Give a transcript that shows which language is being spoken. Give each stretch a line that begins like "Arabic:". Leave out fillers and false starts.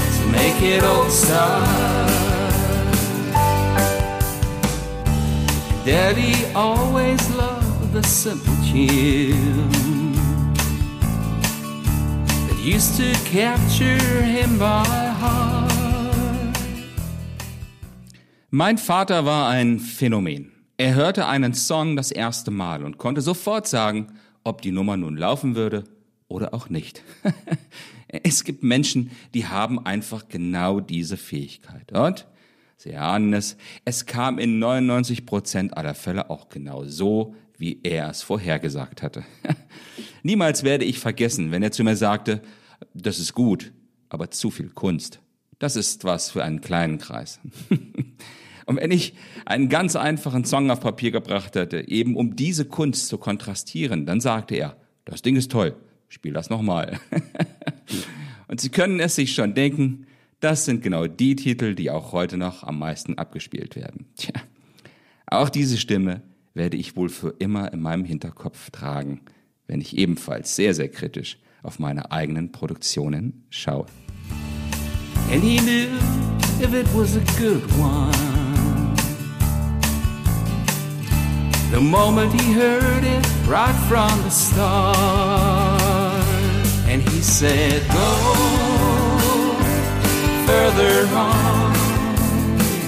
English: Make it old style. Daddy always loved the simple tune that used to capture him by heart.
German: Mein Vater war ein Phänomen. Er hörte einen Song das erste Mal und konnte sofort sagen, ob die Nummer nun laufen würde oder auch nicht. Es gibt Menschen, die haben einfach genau diese Fähigkeit. Und Sie ahnen es, es kam in 99% aller Fälle auch genau so, wie er es vorhergesagt hatte. Niemals werde ich vergessen, wenn er zu mir sagte, das ist gut, aber zu viel Kunst. Das ist was für einen kleinen Kreis. Und wenn ich einen ganz einfachen Song auf Papier gebracht hatte, eben um diese Kunst zu kontrastieren, dann sagte er, das Ding ist toll, spiel das nochmal. Und Sie können es sich schon denken, das sind genau die Titel, die auch heute noch am meisten abgespielt werden. Tja, auch diese Stimme werde ich wohl für immer in meinem Hinterkopf tragen, wenn ich ebenfalls sehr, sehr kritisch auf meine eigenen Produktionen schaue.
English: And he knew if it was a good one. The moment he heard it right from the start. And he said, go further on.